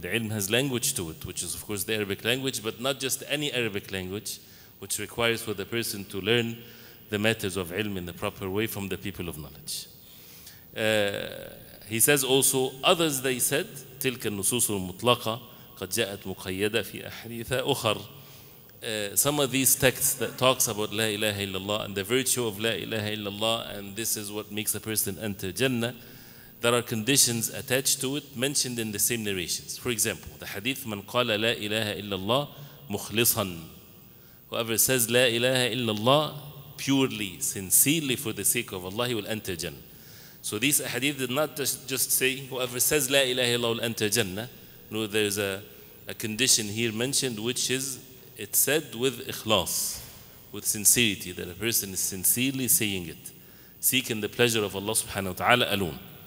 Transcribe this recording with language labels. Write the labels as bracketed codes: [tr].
[en] The ilm has language to it, which is of course the Arabic language, but not just any Arabic language, which requires for the person to learn the matters of ilm in the proper way from the people of knowledge. He says also, others they said, [ar] تِلْكَ النُّسُوسُ الْمُطْلَقَةِ قَدْ جَاءَتْ مُقَيَّدَةً فِي أَحْرِيثَ أُخَرَ. [en] Some of these texts that talks about La ilaha illallah and the virtue of La ilaha illallah and this is what makes a person enter Jannah, there are conditions attached to it mentioned in the same narrations. For example, the hadith, [ar] مَنْ قَالَ لَا إِلَهَ إِلَّا اللَّهِ مُخْلِصًا. [en] Whoever says La ilaha illallah purely, sincerely for the sake of Allah, he will enter Jannah. So these hadith did not just say whoever says La ilaha illallah will enter Jannah. No, there is a condition here mentioned, which is it said with ikhlas, with sincerity, that a person is sincerely saying it, seeking the pleasure of Allah subhanahu wa ta'ala alone.